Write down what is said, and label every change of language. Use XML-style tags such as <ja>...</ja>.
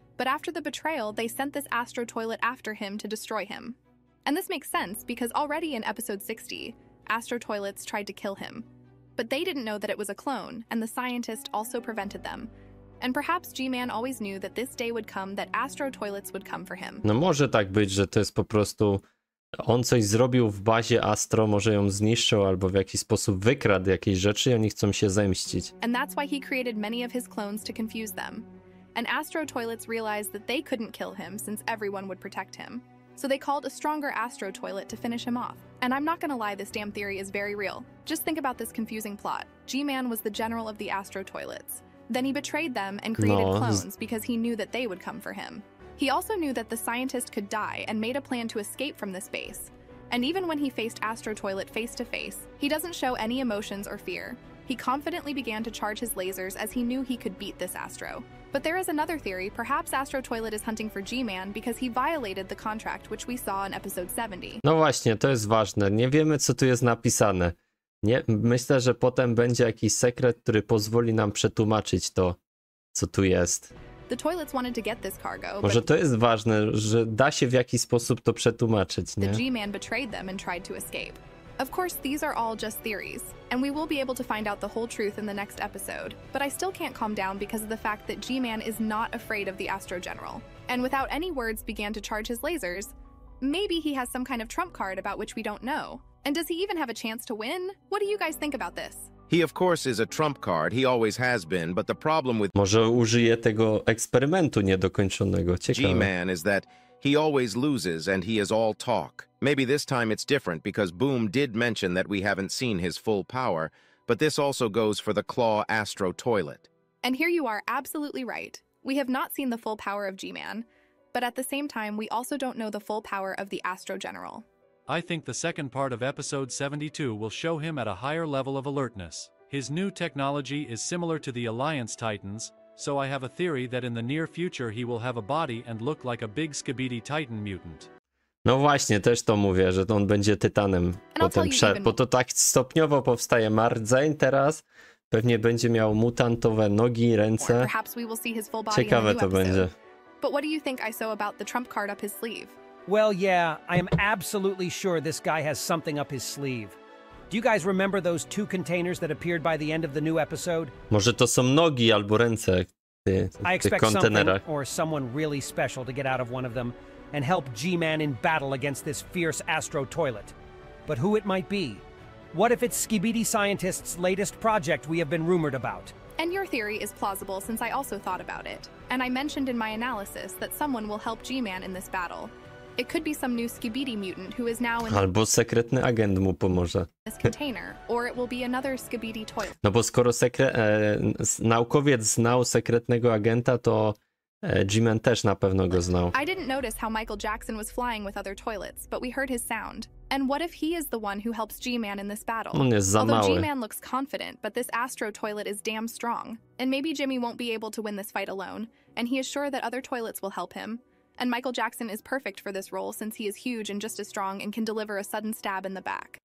<en>But after the betrayal, they sent this Astro Toilet after him to destroy him. And this makes sense because already in episode 60, Astro Toilets tried to kill him. But they didn't know that it was a clone, and the scientist also prevented them. And perhaps G-Man always knew that this day would come, that Astro Toilets would come for him.</en> <pl>No może tak być, że to jest po prostu... On coś zrobił w bazie Astro, może ją zniszczył albo w jakiś sposób wykradł jakieś rzeczy i oni chcą się zemścić.</pl> <en>And that's why he created many of his clones to confuse them. And Astro Toilets realized that they couldn't kill him since everyone would protect him. So they called a stronger Astro Toilet to finish him off. And I'm not gonna lie, this damn theory is very real. Just think about this confusing plot. G-Man was the general of the Astro Toilets. Then he betrayed them and created clones because he knew that they would come for him. He also knew that the scientist could die and made a plan to escape from this base. And even when he faced Astro Toilet face to face, he doesn't show any emotions or fear. He confidently began to charge his lasers as he knew he could beat this Astro. But there is another theory, perhaps Astro Toilet is hunting for G-Man because he violated the contract which we saw in episode 70.</en> <pl>No właśnie, to jest ważne. Nie wiemy, co tu jest napisane. Nie, myślę, że potem będzie jakiś sekret, który pozwoli nam przetłumaczyć to, co tu jest.</pl> <en>The toilets wanted to get this cargo.</en> <pl>Może to jest ważne, że da się w jakiś sposób to przetłumaczyć, nie?</pl> <en>The G-Man betrayed them and tried to escape. Of course, these are all just theories, and we will be able to find out the whole truth in the next episode. But I still can't calm down because of the fact that G-Man is not afraid of the Astro General, and without any words began to charge his lasers. Maybe he has some kind of trump card about which we don't know. And does he even have a chance to win? What do you guys think about this? He of course is a trump card, he always has been, but the problem with...</en> <pl>Może użyje tego eksperymentu niedokończonego, ciekawe.</pl> <en>G-Man is that he always loses and he is all talk. Maybe this time it's different because Boom did mention that we haven't seen his full power, but this also goes for the Claw Astro Toilet. And here you are absolutely right. We have not seen the full power of G-Man, but at the same time we also don't know the full power of the Astro General. I think the second part of episode 72 will show him at a higher level of alertness. His new technology is similar to the Alliance Titans, so I have a theory that in the near future he will have a body and look like a big Skibidi Titan mutant.</en> <pl>No właśnie, też to mówię, że on będzie Tytanem potem, bo to tak stopniowo powstaje Mardzeń teraz. Pewnie będzie miał mutantowe nogi i ręce. Ciekawe to będzie.</pl> <en>But what do you think, Iso, about the trump card up his sleeve? Well, yeah, I am absolutely sure this guy has something up his sleeve. Do you guys remember those two containers that appeared by the end of the new episode?</en> <pl>Może to są nogi albo ręce</pl> <en>I expect something or someone really special to get out of one of them and help G-Man in battle against this fierce Astro Toilet. But who it might be? What if it's Skibidi Scientist's latest project we have been rumored about? And your theory is plausible since I also thought about it. And I mentioned in my analysis that someone will help G-Man in this battle. It could be some new Skibidi mutant who is now in</en> <pl>albo sekretny agent mu pomoże.</pl> <en>This container, or it will be another Skibidi toilet.</en> <pl>No bo skoro naukowiec znał sekretnego agenta, to G-Man też na pewno go znał.</pl> <en>I didn't notice how Michael Jackson was flying with other toilets, but we heard his sound. And what if he is the one who helps G-Man in this battle?</en> <pl>On jest za mały.</pl> <en>G-Man looks confident, but this Astro Toilet is damn strong. And maybe Jimmy won't be able to win this fight alone, and he is sure that other toilets will help him. And Michael Jackson is perfect for this role since he is huge and just as strong and can deliver a sudden stab in the back.</en>